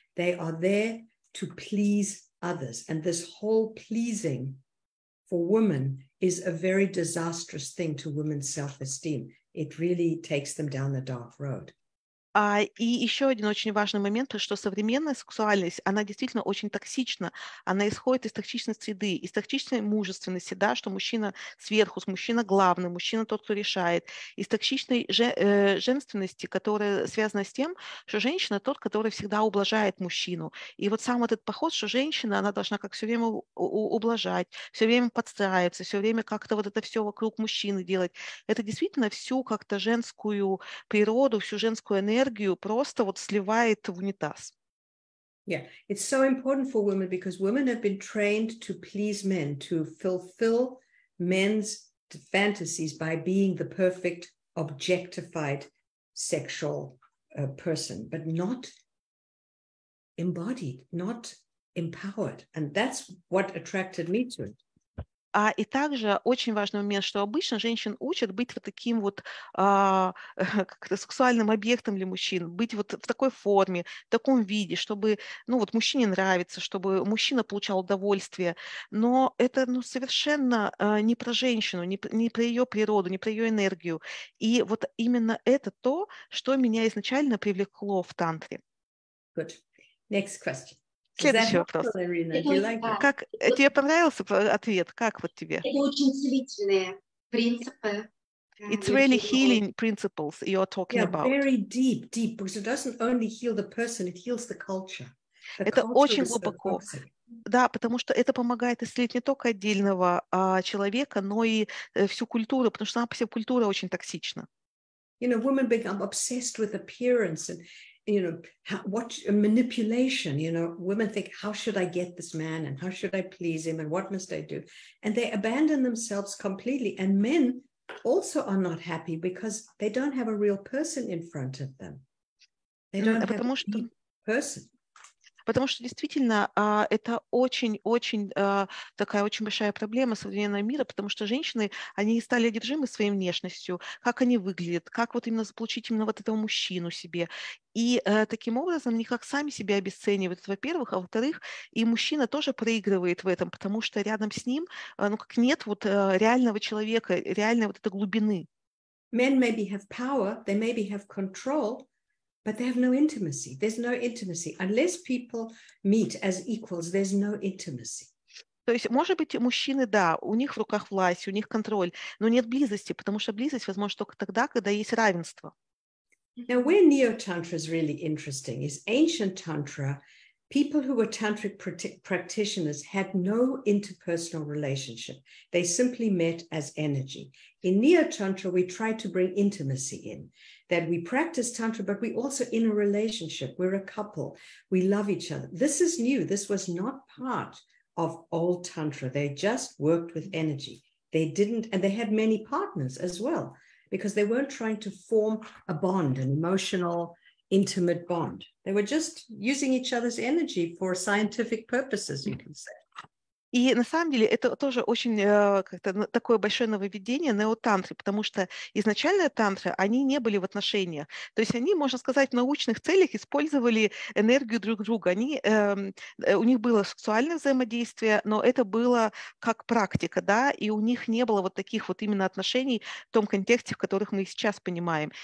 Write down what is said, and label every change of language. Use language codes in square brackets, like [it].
[en] They are there to please others. And this whole pleasing for women is a very disastrous thing to women's self-esteem. It really takes them down the dark road. [ru] И еще один очень важный момент, что современная сексуальность, она действительно очень токсична. Она исходит из токсичной среды, из токсичной мужественности, да, что мужчина сверху, мужчина главный, мужчина тот, кто решает. Из токсичной женственности, которая связана с тем, что женщина тот, который всегда ублажает мужчину. И вот сам этот поход, что женщина, она должна как все время ублажать, все время подстраиваться, все время как-то вот это все вокруг мужчины делать. Это действительно всю как-то женскую природу, всю женскую энергию просто вот сливает в унитаз. [en] Yeah, it's so important for women because women have been trained to please men, to fulfill men's fantasies by being the perfect objectified sexual person, but not embodied, not empowered. And that's what attracted me to it. [ru] И также очень важный момент, что обычно женщин учат быть вот таким вот как-то сексуальным объектом для мужчин, быть вот в такой форме, в таком виде, чтобы ну, вот мужчине нравиться, чтобы мужчина получал удовольствие. Но это ну, совершенно не про женщину, не про ее природу, не про ее энергию. И вот именно это то, что меня изначально привлекло в тантре. [en] Good. Next question. [ru] Следующий вопрос. Как, тебе понравился ответ? Как вот тебе? Это очень целительные принципы. [en] It's really healing principles you're talking yeah, about. Very deep, deep, because it doesn't only heal the person, it heals the culture. [ru] Это очень глубоко. Да, потому что это помогает исцелить не только отдельного человека, но и всю культуру, потому что сама по себе культура очень токсична. [en] You know, women become obsessed with appearance and, you know, what manipulation, you know, women think, how should I get this man and how should I please him and what must I do? And they abandon themselves completely. And men also are not happy because they don't have a real person in front of them. They don't have a person. [ru] Потому что действительно это очень-очень такая очень большая проблема современного мира, потому что женщины, они стали одержимы своей внешностью, как они выглядят, как вот именно заполучить именно вот этого мужчину себе. И таким образом они как сами себя обесценивают, во-первых, а во-вторых, и мужчина тоже проигрывает в этом, потому что рядом с ним ну как нет вот реального человека, реальной вот этой глубины. [en] Men maybe have power, they maybe have control. But they have no intimacy. There's no intimacy. Unless people meet as equals, there's no intimacy. [ru] То есть, может быть, мужчины, да, у них в руках власть, у них контроль, но нет близости, потому что близость возможна только тогда, когда есть равенство. [en] Now, where neo-tantra is really interesting is ancient tantra, people who were tantric practitioners had no interpersonal relationship. They simply met as energy. In neo-tantra, we try to bring intimacy in. That we practice tantra, but we also in a relationship. We're a couple. We love each other. This is new. This was not part of old tantra. They just worked with energy. They didn't, and they had many partners as well, because they weren't trying to form a bond, an emotional, intimate bond. They were just using each other's energy for scientific purposes, you can say. [ru] И на самом деле это тоже очень как-то такое большое нововведение неотантры, потому что изначально тантры, они не были в отношениях. То есть они, можно сказать, в научных целях использовали энергию друг друга. Они, у них было сексуальное взаимодействие, но это было как практика, да, и у них не было вот таких вот именно отношений в том контексте, в которых мы сейчас понимаем.